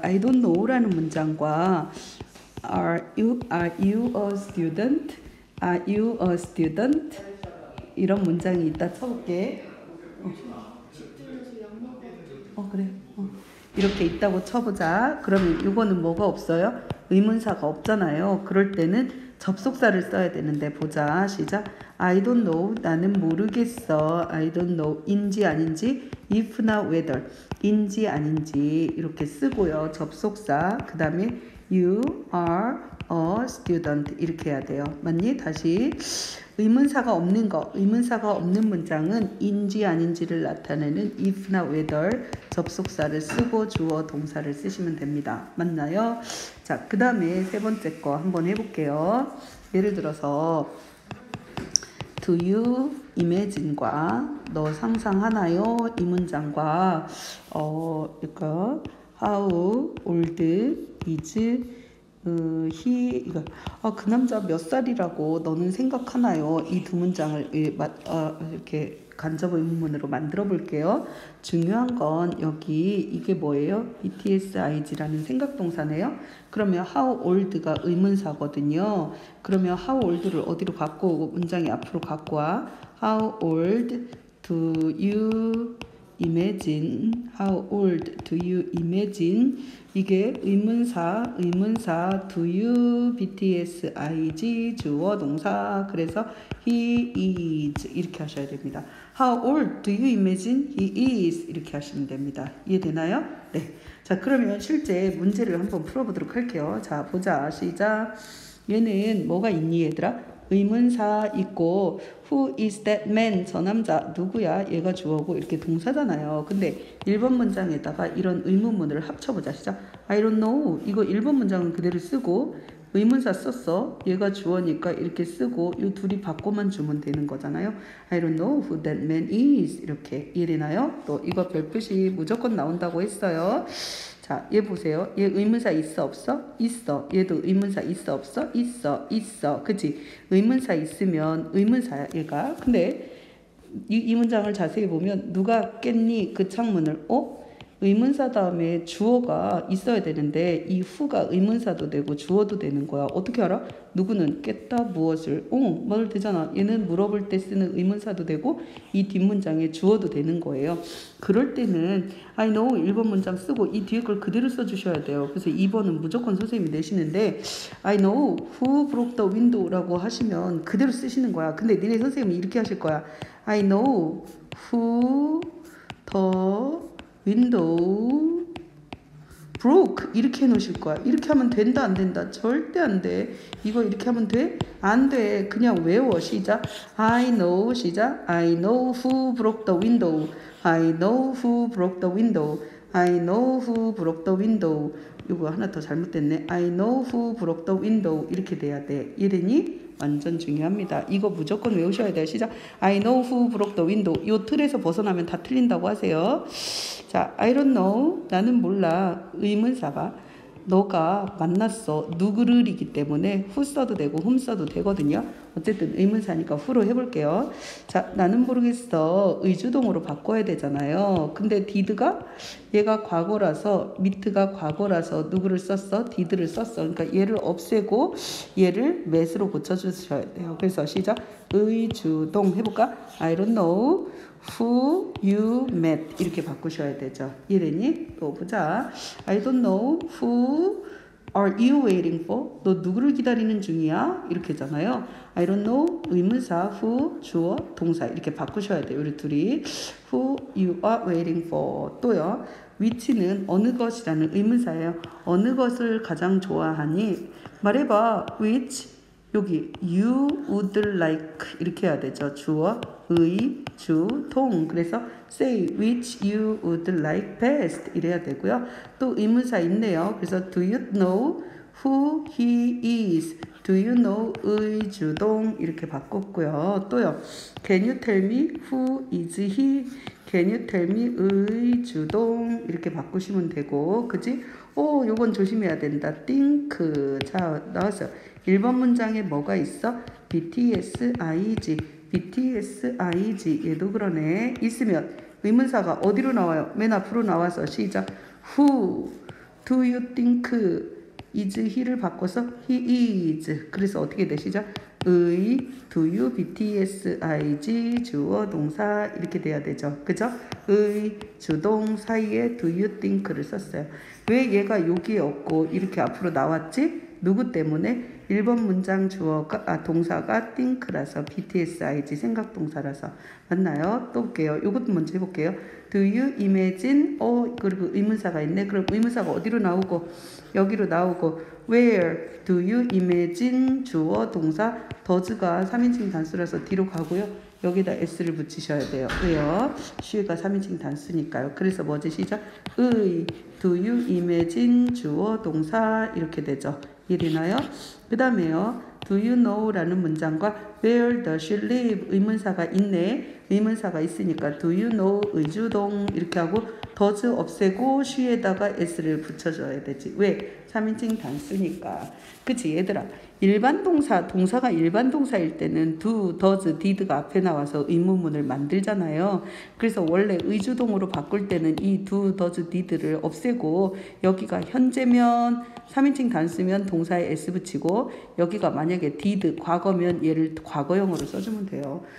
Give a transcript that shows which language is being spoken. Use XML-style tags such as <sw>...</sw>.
<en>I don't know</en> <ko>라는 문장과</ko> <en>Are you a student? Are you a student?</en> <ko>이런 문장이 있다 쳐볼게. 그래. 이렇게 있다고 쳐보자. 그러면 이거는 뭐가 없어요? 의문사가 없잖아요. 그럴 때는 접속사를 써야 되는데 보자. 시작.</ko> <en>I don't know.</en> <ko>나는 모르겠어.</ko> <en>I don't know.</en> <ko>인지 아닌지. If나 whether. 인지 아닌지. 이렇게 쓰고요. 접속사. 그 다음에</ko> <en>You are a student.</en> <ko>이렇게 해야 돼요. 맞니? 다시. 의문사가 없는 거. 의문사가 없는 문장은 인지 아닌지를 나타내는 if나 whether. 접속사를 쓰고 주어 동사를 쓰시면 됩니다. 맞나요? 자, 그 다음에 세 번째 거 한번 해볼게요. 예를 들어서</ko> <en>Do you imagine</en> <ko>과 너 상상하나요? 이 문장과 이거</ko> <en>How old is he?</en> <ko>이거 그 남자 몇 살이라고 너는 생각하나요? 이 두 문장을 이렇게 간접 의문문으로 만들어 볼게요. 중요한 건 여기 이게 뭐예요? BTSIG라는 생각동사네요. 그러면 how old가 의문사거든요. 그러면 how old를 어디로 갖고 오고 문장이 앞으로 갖고 와.</ko> <en>How old do you imagine? How old do you imagine?</en> <ko>이게 의문사</ko> <en>do you BTSIG</en> <ko>주어 동사. 그래서</ko> <en>he is</en> <ko>이렇게 하셔야 됩니다.</ko> <en>How old do you imagine he is?</en> <ko>이렇게 하시면 됩니다. 이해되나요? 네. 자, 그러면 실제 문제를 한번 풀어보도록 할게요. 자, 보자. 시작. 얘는 뭐가 있니, 얘들아? 의문사 있고</ko> <en>Who is that man?</en> <ko>저 남자 누구야? 얘가 주어고 이렇게 동사잖아요. 근데 1번 문장에다가 이런 의문문을 합쳐보자. 시작.</ko> <en>I don't know.</en> <ko>이거 1번 문장은 그대로 쓰고 의문사 썼어. 얘가 주어니까 이렇게 쓰고 이 둘이 바꿔만 주면 되는 거잖아요.</ko> <en>I don't know who that man is.</en> <ko>이렇게 이해되나요? 또 이거 별표시 무조건 나온다고 했어요. 자, 얘 보세요. 얘 의문사 있어 없어? 있어. 얘도 의문사 있어 없어? 있어. 그치? 의문사 있으면 의문사야 얘가. 근데 이 문장을 자세히 보면 누가 깼니 그 창문을? 어? 의문사 다음에 주어가 있어야 되는데 이 후가 의문사도 되고 주어도 되는 거야. 어떻게 알아? 누구는 깼다 무엇을? 응, 말도 되잖아. 얘는 물어볼 때 쓰는 의문사도 되고 이 뒷문장에 주어도 되는 거예요. 그럴 때는</ko> <en>I know</en> <ko>1번 문장 쓰고 이 뒤에 걸 그대로 써주셔야 돼요. 그래서 2번은 무조건 선생님이 내시는데</ko> <en>I know who broke the window</en> <ko>라고 하시면 그대로 쓰시는 거야. 근데 니네 선생님이 이렇게 하실 거야.</ko> <en>I know who the window broke</en> <ko>이렇게 해놓으실 거야. 이렇게 하면 된다 안 된다? 절대 안 돼. 이거 이렇게 하면 돼? 안 돼. 그냥 외워. 시작.</ko> <en>I know</en> <ko>시작.</ko> <en>I know who broke the window. I know who broke the window. I know who broke the window.</en> <ko>이거 하나 더 잘못됐네.</ko> <en>I know who broke the window 이렇게 돼야 돼.</en> <ko>이랬니? 완전 중요합니다. 이거 무조건 외우셔야 돼요. 시작.</ko> <en>I know who broke the window.</en> <ko>요 틀에서 벗어나면 다 틀린다고 하세요. 자,</ko> <en>I don't know.</en> <ko>나는 몰라. 의문사 봐. 너가 만났어. 누구를이기 때문에 who 써도 되고 whom 써도 되거든요. 어쨌든 의문사니까 who로 해볼게요. 자, 나는 모르겠어. 의주동으로 바꿔야 되잖아요. 근데 did가 얘가 과거라서 meet가 과거라서 누구를 썼어? did를 썼어. 그러니까 얘를 없애고 얘를 met로 고쳐주셔야 돼요. 그래서 시작. 의주동 해볼까?</ko> <en>I don't know who you met</en> <ko>이렇게 바꾸셔야 되죠. 이래니? 또 보자.</ko> <en>I don't know who are you waiting for?</en> <ko>너 누구를 기다리는 중이야? 이렇게잖아요.</ko> <en>I don't know</en> <ko>의문사</ko> <en>who</en> <ko>주어 동사 이렇게 바꾸셔야 돼요. 우리 둘이</ko> <en>who you are waiting for</en> <ko>또요. which는 어느 것이라는 의문사예요. 어느 것을 가장 좋아하니? 말해봐. which 여기</ko> <en>you would like</en> <ko>이렇게 해야 되죠. 주어 의, 주, 동. 그래서</ko> <en>say which you would like best</en> <ko>이래야 되고요. 또 의문사 있네요. 그래서</ko> <en>do you know who he is?</en> <ko>do you know 의주동 이렇게 바꿨고요.</ko> <en>또요. can you tell me who is he? can you tell me</en> <ko>의주동 이렇게 바꾸시면 되고, 그지? 오, 요건 조심해야 된다. think. 자, 나왔어요. 1번 문장에 뭐가 있어? BTS, IG. BTS, IG. 얘도 그러네. 있으면 의문사가 어디로 나와요? 맨 앞으로 나와서 시작.</ko> <en>Who do you think is he</en> <ko>를 바꿔서</ko> <en>he is.</en> <ko>그래서 어떻게 돼? 시작. 의,</ko> <en>do you,</en> <ko>BTS, IG, 주어, 동사. 이렇게 돼야 되죠. 그죠? 의, 주동 사이에 do you think를 썼어요. 왜 얘가 여기에 없고 이렇게 앞으로 나왔지? 누구 때문에? 1번 문장 주어가, 아, 동사가 think라서, BTSIG, 생각 동사라서. 맞나요? 또 볼게요. 이것도 먼저 해볼게요. Do you imagine? 그리고 의문사가 있네. 그럼 의문사가 어디로 나오고? 여기로 나오고.</ko> <en>Where do you imagine?</en> <ko>주어, 동사. does가 3인칭 단수라서 뒤로 가고요. 여기다 s를 붙이셔야 돼요. 왜요? she가 3인칭 단수니까요. 그래서 뭐지? 시작. 의,</ko> <en>do you imagine?</en> <ko>주어, 동사. 이렇게 되죠. 이래나요? 그 다음에요.</ko> <en>Do you know?</en> <ko>라는 문장과</ko> <en>Where does she live?</en> <ko>의문사가 있네. 의문사가 있으니까</ko> <en>Do you know?</en> <ko>의주동 이렇게 하고 does 없애고 she에다가 s를 붙여줘야 되지. 왜? 3인칭 단수니까. 그치 얘들아. 일반 동사, 동사가 일반 동사일 때는 do, does, did가 앞에 나와서 의문문을 만들잖아요. 그래서 원래 의주동으로 바꿀 때는 이 do, does, did를 없애고 여기가 현재면 3인칭 단수면 동사에 s 붙이고 여기가 만약에 did 과거면 얘를 과거형으로 써주면 돼요.</ko>